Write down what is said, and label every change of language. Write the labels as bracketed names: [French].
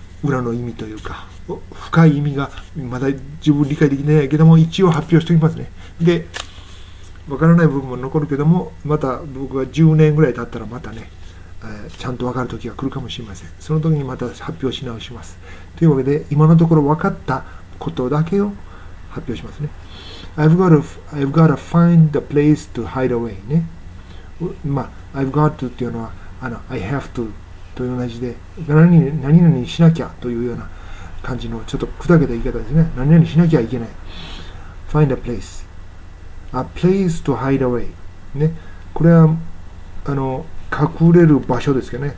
[Japanese] 裏の意味というか深い意味がまだ十分理解できないけども、一応発表しておきますね。で、わからない部分も残るけども、また僕が10年ぐらい経ったらまたね、ちゃんとわかる時が来るかもしれません。その時にまた発表し直します。というわけで、今のところわかったことだけを発表しますね。 [English] I've got to find the place to hide away ね。 [Japanese] まあ、 [English] I've got to [Japanese] っていうのは、あの、 [English] I have to [Japanese] と同じで、何々しなきゃというような感じのちょっと砕けた言い方ですね。何々しなきゃいけない。 [English] Find a place. A place to hide away. ね。 [Japanese] これは、あの、隠れる場所ですけどね。